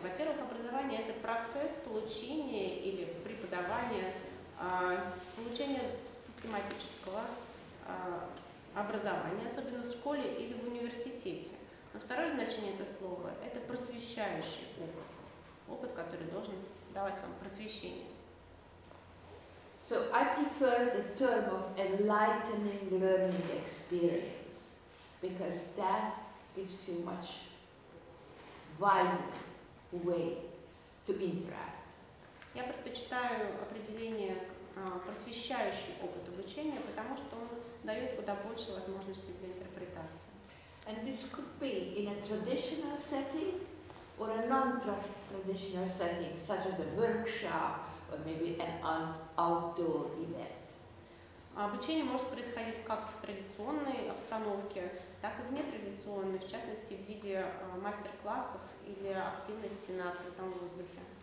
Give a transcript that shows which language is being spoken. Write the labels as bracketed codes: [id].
[ru] Во-первых, образование — это процесс получения или преподавания, получения систематического образования, особенно в школе или в университете. Но второе значение этого слова – это просвещающий опыт, опыт, который должен давать вам просвещение. [en] So I prefer the term of enlightening learning experience, because that gives you much wider way to interact. [ru] Я предпочитаю определение просвещающий опыт обучения, потому что он дает куда больше возможностей для интерпретации. [en] And this could be in a traditional setting or a non-traditional setting, such as a workshop or maybe an outdoor event. [ru] Обучение может происходить как в традиционной обстановке, так и в нетрадиционной, в частности, в виде мастер-классов или активности на открытом воздухе.